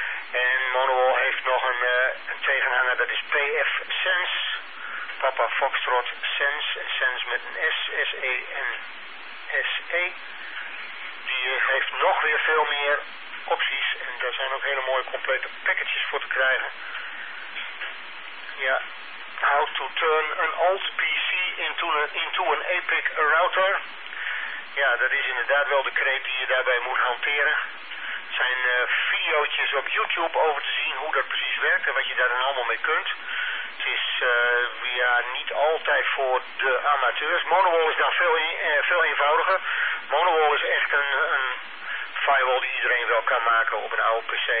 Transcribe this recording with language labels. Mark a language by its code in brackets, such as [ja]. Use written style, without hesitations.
[nl] En Monowall heeft nog een tegenhanger, dat is PF Sense. Papa Foxtrot Sense. Sense met een S. S-E-N-S-E. Die heeft nog weer veel meer opties. En daar zijn ook hele mooie complete packages voor te krijgen. Ja. [en] How to turn an old PC into an epic router. [nl] Ja, dat is inderdaad wel de kreet die je daarbij moet hanteren. Het zijn video's op YouTube over te zien hoe dat precies werkt en wat je daar dan allemaal mee kunt. Het is ja, niet altijd voor de amateurs. Monowall is dan veel eenvoudiger. Monowall is echt een firewall die iedereen wel kan maken op een oude PC.